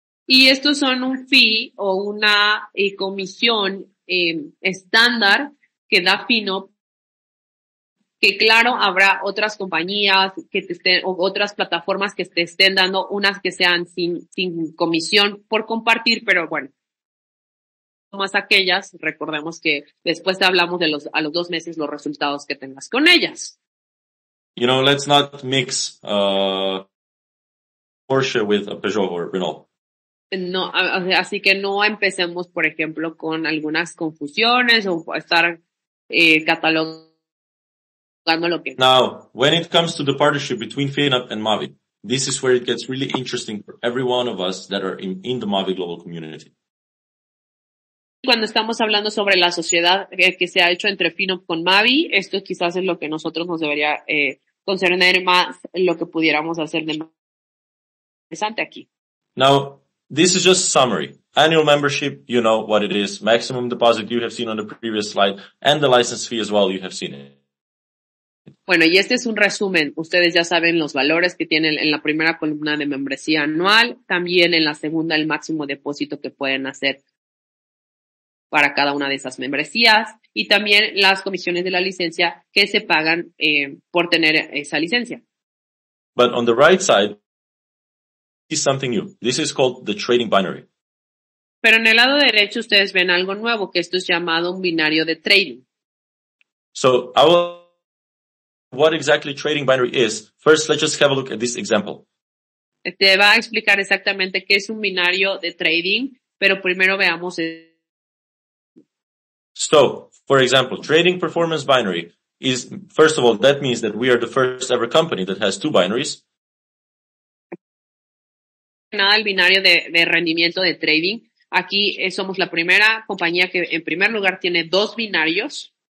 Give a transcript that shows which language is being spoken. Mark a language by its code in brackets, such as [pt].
[es] Y estos son un fee o una comisión estándar que da FinOp, que claro, habrá otras compañías que te estén, o otras plataformas que te estén dando, unas que sean sin comisión por compartir, pero bueno, más aquellas, recordemos que después te hablamos de a los dos meses los resultados que tengas con ellas. [en] You know, let's not mix Porsche with a Peugeot or a Renault. [es] No, así que no empecemos, por ejemplo, con algunas confusiones o estar catalogando lo que. [en] Now, when it comes to the partnership between FinUp and Mavi, this is where it gets really interesting for every one of us that are in the Mavi global community. [es] Cuando estamos hablando sobre la sociedad que se ha hecho entre FinUp con Mavi, esto quizás es lo que nosotros nos debería concerner más, lo que pudiéramos hacer de Mavi. [en] Now, this is just a summary. Annual membership, you know what it is. Maximum deposit, you have seen on the previous slide. And the license fee as well, you have seen it. [es] Bueno, y este es un resumen. Ustedes ya saben los valores que tienen en la primera columna de membresía anual. También en la segunda, el máximo depósito que pueden hacer para cada una de esas membresías. Y también las comisiones de la licencia que se pagan por tener esa licencia. [en] But on the right side is something new. This is called the trading binary. [es] Pero en el lado derecho ustedes ven algo nuevo, que esto es llamado un binario de trading. [en] So, what exactly trading binary is? First, let's just have a look at this example. [es] Te va a explicar exactamente qué es un binario de trading, pero primero veamos. [en] So, for example, trading performance binary is, first of all, that means that we are the first ever company that has two binaries. [es] Nada, el binario de rendimiento de trading. Aquí somos la primera compañía que en primer lugar tiene dos binarios.